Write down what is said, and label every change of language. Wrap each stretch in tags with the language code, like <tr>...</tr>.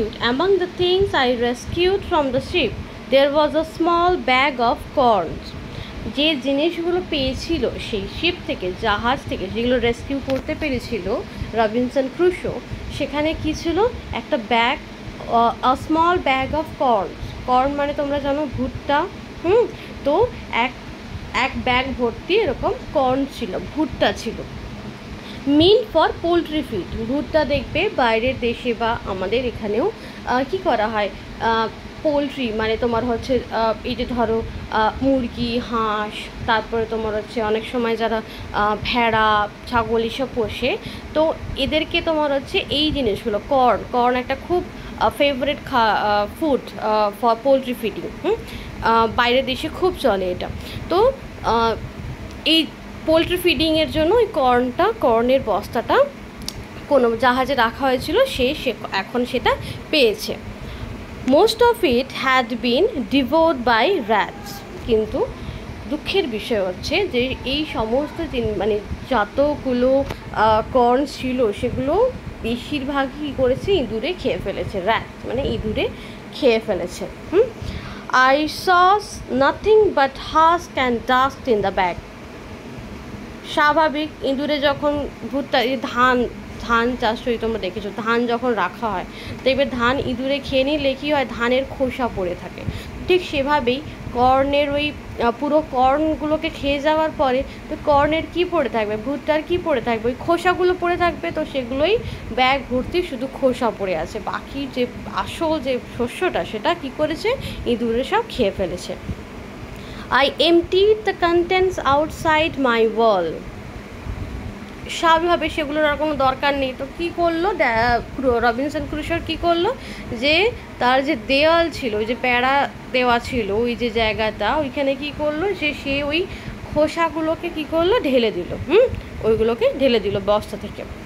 <en>Among the things I rescued from the ship, there was a small bag of corns.</en> <bn>যে জিনিসগুলো পেয়েছিল সেই sheep থেকে, জাহাজ থেকে, যেগুলো রেস্কিউ করতে পেরেছিল রবিনসন ক্রুশো, সেখানে কী ছিল, একটা bag,</bn> <en>A small bag of corns.</en> <bn>Corn মানে তোমরা জানো ভুট্টা। তো এক ব্যাগ ভর্তি এরকম কর্ন ছিল, ভুট্টা ছিল,</bn> <en>Mean for poultry feed.</en> <bn>ভুট্টা দেখবে বাইরের দেশে বা আমাদের এখানেও কী করা হয়, পোলট্রি মানে তোমার হচ্ছে এই যে ধরো মুরগি হাঁস, তারপরে তোমার হচ্ছে অনেক সময় যারা ভেড়া ছাগল এসব পোষে, তো এদেরকে তোমার হচ্ছে এই জিনিসগুলো, কর্ন, কর্ন একটা খুব</bn> <en>favourite food for poultry feeding,</en> <bn>বাইরের দেশে খুব চলে এটা। তো এই পোলট্রি ফিডিংয়ের জন্য ওই কর্নটা, কর্নের বস্তাটা কোনো জাহাজে রাখা হয়েছিল, সে এখন সেটা পেয়েছে।</bn> <en>Most of it had been devoured by rats.</en> <bn>কিন্তু দুঃখের বিষয় হচ্ছে যে এই সমস্ত দিন মানে যতগুলো কর্ন ছিল সেগুলো বেশিরভাগই কী করেছে, ইঁদুরে খেয়ে ফেলেছে, র্যাটস মানে ইঁদুরে খেয়ে ফেলেছে।</bn> <en>I saw nothing but husk and dust in the bag.</en> <bn>স্বাভাবিক ইঁদুরে যখন ভুট্টা ধান চাষ হয়, তোমরা দেখেছো ধান যখন রাখা হয় দেখবে ধান ইঁদুরে খেয়ে নিলে কী হয়, ধানের খোসা পড়ে থাকে, ঠিক সেভাবেই কর্নের ওই পুরো কর্নগুলোকে খেয়ে যাওয়ার পরে তো কর্নের কী পড়ে থাকবে, ভুট্টার কী পড়ে থাকবে, ওই খোসাগুলো পড়ে থাকবে, তো সেগুলোই ব্যাগ ভর্তি শুধু খোসা পড়ে আছে, বাকি যে আসল যে শস্যটা সেটা কী করেছে, ইঁদুরে সব খেয়ে ফেলেছে।</bn> <en>I emptied the contents outside my wall.</en> <bn>স্বাভাবিকভাবে সেগুলোর আর কোনো দরকার নেই, তো কী করলো রবিনসন ক্রুশোর কী করলো, যে তার যে দেওয়াল ছিল, ওই যে প্যাড়া দেওয়া ছিল ওই যে জায়গাটা, ওইখানে কী করলো, যে সে ওই খোসাগুলোকে কী করলো, ঢেলে দিল, ওইগুলোকে ঢেলে দিল বস্তা থেকে।</bn>